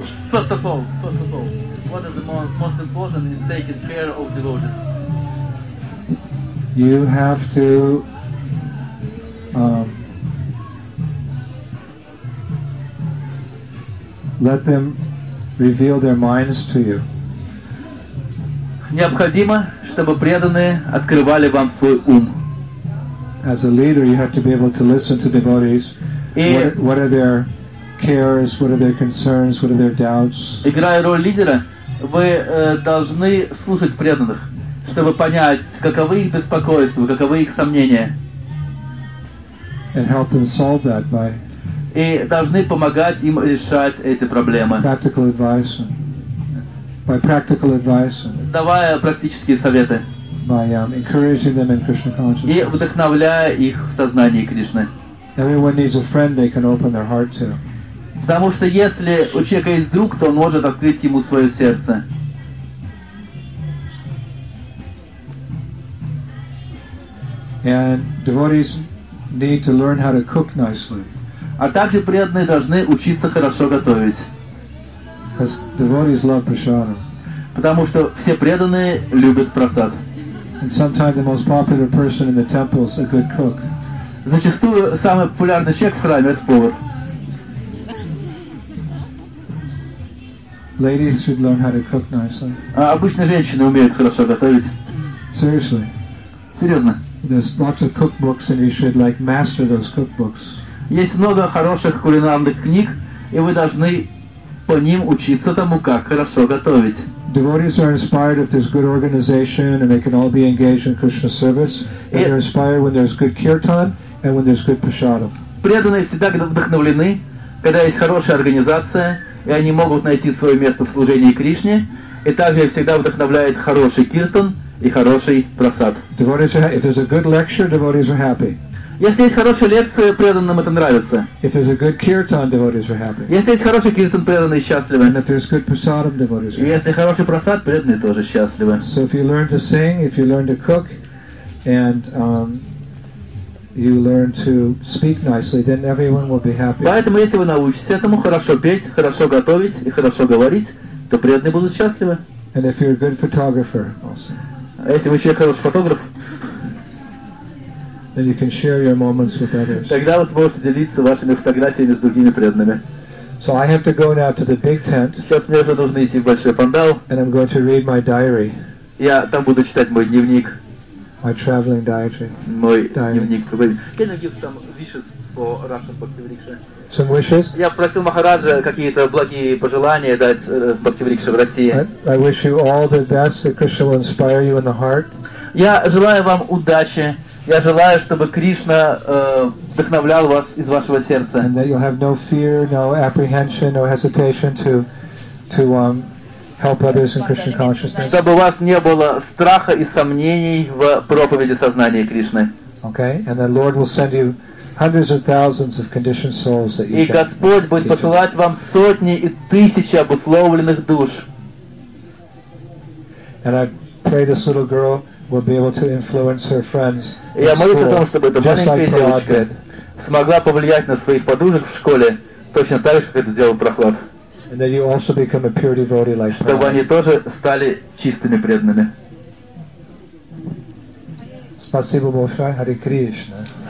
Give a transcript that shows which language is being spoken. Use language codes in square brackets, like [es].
[en] First of all, what is the most important in taking care of devotees? You have to let them reveal their minds to you. [ru] Необходимо, чтобы преданные открывали вам свой ум. [en] As a leader, you have to be able to listen to devotees. What are their cares? What are their concerns? What are their doubts? [ru] Играя роль лидера, вы должны слушать преданных, чтобы понять, каковы их беспокойства, каковы их сомнения. [en] And help them solve that by. [ru] И должны помогать им решать эти проблемы. [en] Practical advice. By practical advice. [ru] Давая практические советы. [en] By encouraging them in Krishna consciousness. [ru] И вдохновляя их в сознании Кришны. [en] Everyone needs a friend they can open their heart to. [ru] Потому что если у человека есть друг, то он может открыть ему свое сердце. [en] And devotees need to learn how to cook nicely. [ru] А также преданные должны учиться хорошо готовить. [en] As devotees love prasadam. [ru] Потому что все преданные любят прасад. [en] And sometimes the most popular person in the temple is a good cook. [ru] Зачастую самый популярный человек в храме — это повар. [en] Ladies should learn how to cook nicely. [ru] А обычно женщины умеют хорошо готовить. [en] Seriously. [ru] Серьезно. [en] There's lots of cookbooks, and you should like master those cookbooks. [ru] Есть много хороших кулинарных книг, и вы должны по ним учиться тому, как хорошо готовить. [en] Devotees are inspired if there's good organization and they can all be engaged in Krishna service. And they're inspired when there's good kirtan and when there's good prasadam. [ru] Преданные всегда вдохновлены, когда есть хорошая организация, и они могут найти свое место в служении Кришне. И также всегда вдохновляет хороший киртан и хороший прасад. [en] Devotees are, if there's a good lecture, devotees are happy. [ru] Если есть хорошая лекция, преданным это нравится. [en] If there's a good kirtan, devotees are happy. [ru] Если есть хороший киртан, преданные счастливы. [en] And if there's good prasadam, devotees are happy. [ru] Если хороший прасад, преданные тоже счастливы. [en] So if you learn to sing, if you learn to cook, and you learn to speak nicely, then everyone will be happy. [ru] Поэтому если вы научитесь этому хорошо петь, хорошо готовить и хорошо говорить, то преданные будут счастливы. [en] And if you're a good photographer, also. [ru] Если вы человек хороший фотограф. [en] Then you can share your moments with others. [ru] Тогда вы сможете делиться вашими фотографиями с другими преданными. [en] So I have to go now to the big tent. [ru] Сейчас мне уже нужно идти в большой пандал. [en] And I'm going to read my diary. [ru] Я там буду читать мой дневник. [en] My traveling diary. [ru] Мой дневник. [en] Can I give some wishes for Russian Bhakti Vriksha? Some wishes? [ru] Я просил Махараджа какие-то благие пожелания дать Бхакти Врикше в России. [en] I wish you all the best, that Krishna will inspire you in the heart. [ru] Я желаю вам удачи. Я желаю, чтобы Кришна вдохновлял вас из вашего сердца. [en] And that you'll have no fear, no apprehension, no hesitation to help others in Krishna consciousness. [ru] Чтобы у вас не было страха и сомнений в проповеди сознания Кришны. [en] Okay, and the Lord will send you hundreds of thousands of conditioned souls that you [ru] И Господь будет посылать вам сотни и тысячи обусловленных душ. [en] And I pray this little girl will be able to influence her friends. [ru] Я молюсь о том, чтобы эта маленькая девочка смогла повлиять на своих подружек в школе точно так же, как это сделал Прохлад. [en] And then you also become a pure devotee like Prahlad. [ru] Чтобы они тоже стали чистыми преданными. Спасибо большое, Hare Krishna.